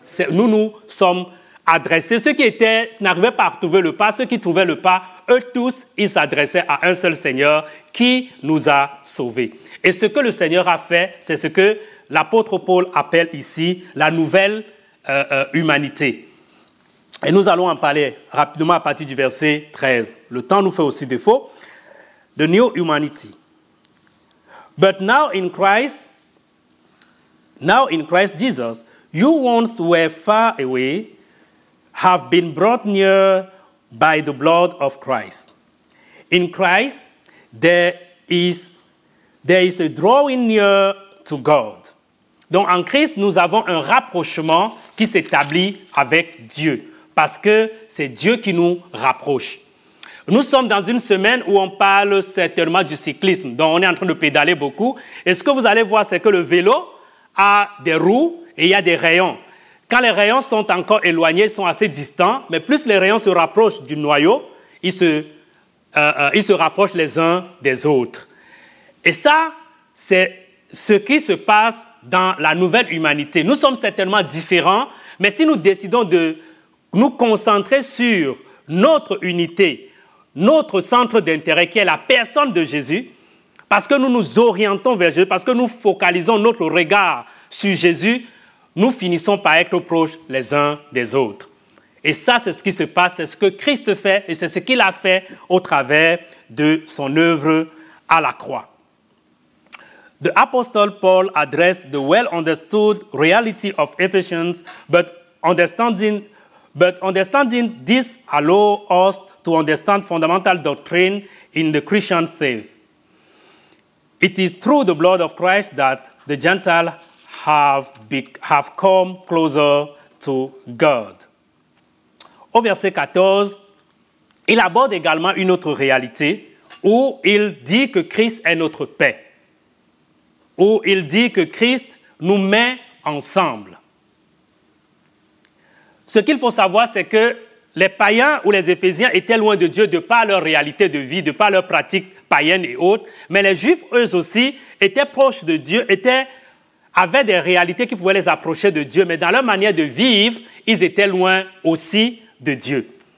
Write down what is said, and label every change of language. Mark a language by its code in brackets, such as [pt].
[fr] Nous sommes adressés. Ceux qui étaient, n'arrivaient pas à trouver le pas, ceux qui trouvaient le pas, eux tous, ils s'adressaient à un seul Seigneur qui nous a sauvés. Et ce que le Seigneur a fait, c'est ce que l'apôtre Paul appelle ici la nouvelle humanité. Et nous allons en parler rapidement à partir du verset 13. Le temps nous fait aussi défaut. [en] The new humanity. But now in Christ Jesus, you once were far away, have been brought near by the blood of Christ. In Christ, there is a drawing near to God. [fr] Donc en Christ, nous avons un rapprochement qui s'établit avec Dieu, parce que c'est Dieu qui nous rapproche. Nous sommes dans une semaine où on parle certainement du cyclisme, dont on est en train de pédaler beaucoup. Et ce que vous allez voir, c'est que le vélo a des roues et il y a des rayons. Quand les rayons sont encore éloignés, ils sont assez distants, mais plus les rayons se rapprochent du noyau, ils se rapprochent les uns des autres. Et ça, c'est ce qui se passe dans la nouvelle humanité. Nous sommes certainement différents, mais si nous décidons de nous concentrer sur notre unité, notre centre d'intérêt qui est la personne de Jésus, parce que nous nous orientons vers Jésus, parce que nous focalisons notre regard sur Jésus, nous finissons par être proches les uns des autres. Et ça, c'est ce qui se passe, c'est ce que Christ fait et c'est ce qu'il a fait au travers de son œuvre à la croix. [en] The Apostle Paul addressed the well-understood reality of Ephesians, but understanding this allow us to understand fundamental doctrine in the Christian faith. It is through the blood of Christ that the Gentiles have come closer to God. [fr] Au verset 14, il aborde également une autre réalité où il dit que Christ est notre paix, où il dit que Christ nous met ensemble. Ce qu'il faut savoir, c'est que les païens ou les Éphésiens étaient loin de Dieu de par leur réalité de vie, de par leurs pratiques païennes et autres, mais les Juifs, eux aussi, étaient proches de Dieu, avaient des réalités qui pouvaient les approcher de Dieu, mais dans leur manière de vivre, ils étaient loin aussi de Dieu.